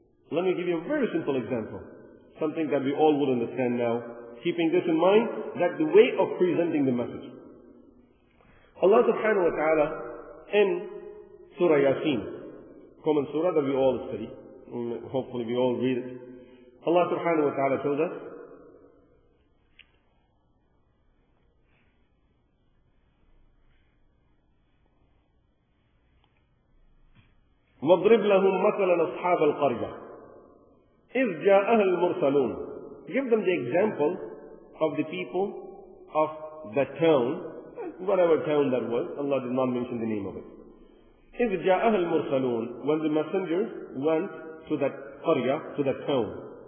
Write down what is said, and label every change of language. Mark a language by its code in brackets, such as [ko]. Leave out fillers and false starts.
[en] Let me give you a very simple example, something that we all would understand now, keeping this in mind, that the way of presenting the message. Allah subhanahu wa ta'ala in Surah Yasin, common surah that we all study, hopefully we all read it. Allah subhanahu wa ta'ala tells us, [ar] وَضْرِبْ لَهُمْ مَثَلًا أَصْحَابَ الْقَرْيَةِ إِذْ جَاءَهَا الْمُرْسَلُونَ. [en] Give them the example of the people of the town, whatever town that was. Allah did not mention the name of it. [ar] إِذْ جَاءَهَا الْمُرْسَلُونَ. [en] When the messengers went to that qarya, to that town.